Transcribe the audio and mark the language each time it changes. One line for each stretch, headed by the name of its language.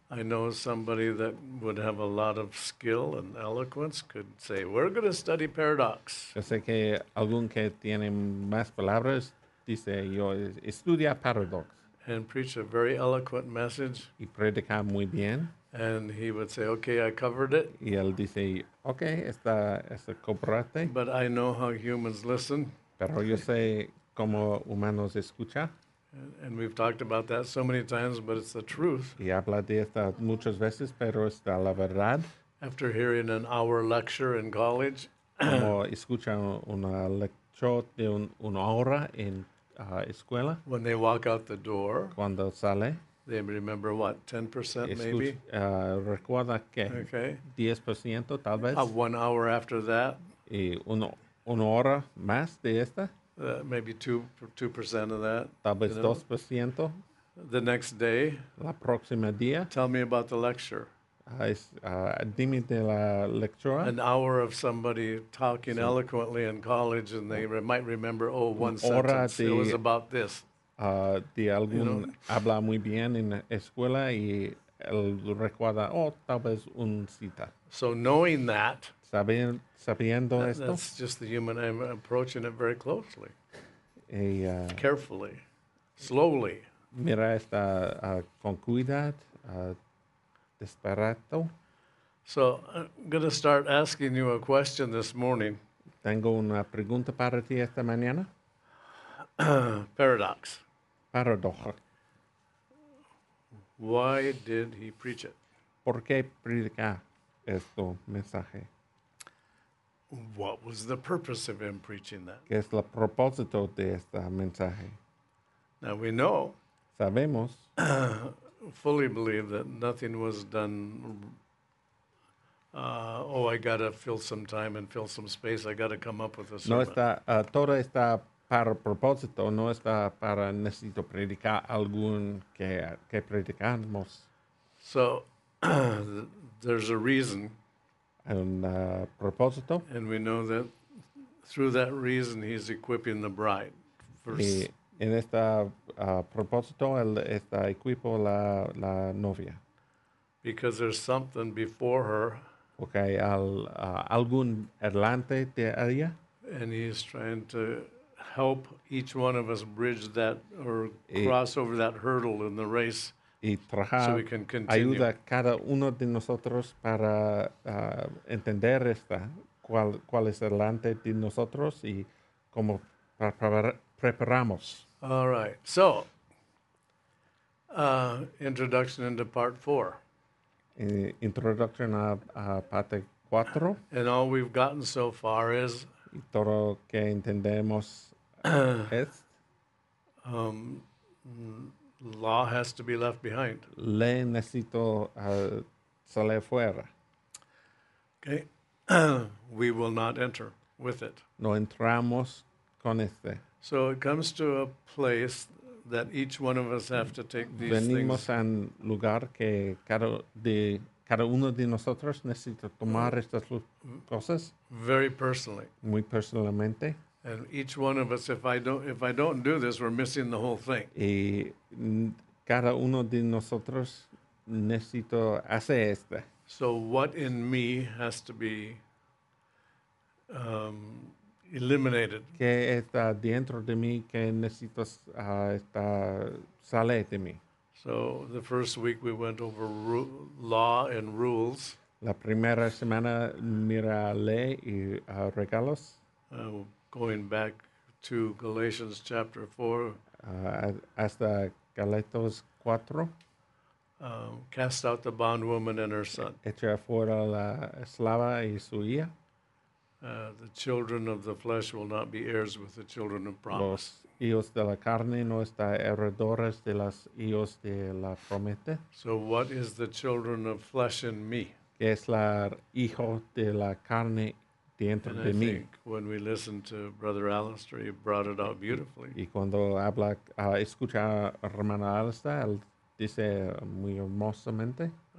English: I know somebody that would have a lot of skill and eloquence could say, we're going to study paradox.
Spanish: Yo sé que algún que tiene más palabras dice, yo estudia paradox.
English: And preach a very eloquent message.
Spanish: Y predica muy bien.
English: And he would say, okay, I covered it.
Spanish: Y él dice, okay, está cubierto.
English: But I know how humans listen.
Spanish: Pero yo sé cómo humanos escucha.
English: And we've talked about that so many times, but it's the truth.
Spanish: Y habla de esta muchas veces, pero está la verdad.
English: After hearing an hour lecture in college.
Spanish: Como escucha una lectura de una hora en escuela.
English: When they walk out the door.
Spanish: Cuando sale.
English: They remember what, 10% maybe?
Spanish: Recuerda que
English: okay.
Spanish: 10% tal vez.
English: One hour after that.
Spanish: Y una hora más de esta.
English: Maybe 2% of that.
Spanish: Tal vez 2%.
English: The next day.
Spanish: La próxima día.
English: Tell me about the lecture.
Spanish: Dime de la lectura.
English: An hour of somebody talking sí. Eloquently in college and they might remember, oh, one
Spanish: hora
English: sentence,
Spanish: de,
English: it was about this.
Spanish: De algún
English: you know?
Spanish: Habla muy bien en la escuela y él recuerda, oh, tal vez un cita.
English: So knowing that,
Spanish: sabiendo
English: that,
Spanish: esto,
English: that's just the human, I'm approaching it very closely,
Spanish: y,
English: carefully, slowly.
Spanish: Mira esta con cuidad, desperado.
English: So I'm going to start asking you a question this morning.
Spanish: Tengo una pregunta para ti esta mañana.
English: Paradox.
Spanish: Paradox.
English: Why did he preach it?
Spanish: ¿Por qué predica este mensaje?
English: What was the purpose of him preaching that?
Spanish: ¿Qué es el propósito de este mensaje?
English: Now we know.
Spanish: Sabemos.
English: Fully believe that nothing was done. I got to fill some time and fill some space. I got to come up with a sermon.
Spanish: No está, todo está para propósito, no está para necesito predicar algún que predicamos.
English: So, there's a reason.
Spanish: And propósito.
English: And we know that through that reason, he's equipping the bride.
Spanish: Y en este propósito, él está equipo la novia.
English: Because there's something before her.
Spanish: Okay, algún adelante de ella.
English: And he's trying to help each one of us bridge that or cross over that hurdle in the race so we can continue.
Spanish: Ayuda cada uno de nosotros para entender esta, cuál es delante de nosotros y cómo preparamos.
English: All right. So, introduction into part 4.
Spanish: Introduction a parte 4.
English: And all we've gotten so far is
Spanish: y todo que entendemos.
English: Law has to be left behind.
Spanish: Ley necesito salir fuera.
English: Okay. We will not enter with it.
Spanish: No entramos con este.
English: So it comes to a place that each one of us have to take these
Spanish: venimos
English: things.
Spanish: Venimos a un lugar que cada de cada uno de nosotros necesita tomar estas cosas.
English: Very personally.
Spanish: Muy personalmente.
English: And each one of us, if I don't do this, we're missing the whole thing.
Spanish: Y cada uno de nosotros necesito hacer esta.
English: So what in me has to be eliminated?
Spanish: ¿Qué está dentro de mí que necesito sale de mí?
English: So the first week we went over law and rules.
Spanish: La primera semana mira ley y regalos.
English: Going back to Galatians chapter 4.
Spanish: Hasta Galatos 4.
English: Cast out the bondwoman and her son.
Spanish: Echa fuera la esclava y su hija.
English: The children of the flesh will not be heirs with the children of promise.
Spanish: Los hijos de la carne no están heredores de los hijos de la promesa.
English: So what is the children of flesh in me?
Spanish: ¿Qué es la hijo de la carne dentro
English: and
Spanish: de
English: I
Spanish: mí?
English: Think when we listen to Brother Alistair, he brought it out beautifully.
Spanish: Y cuando habla, escucha a hermano Alistair, él dice muy hermosamente.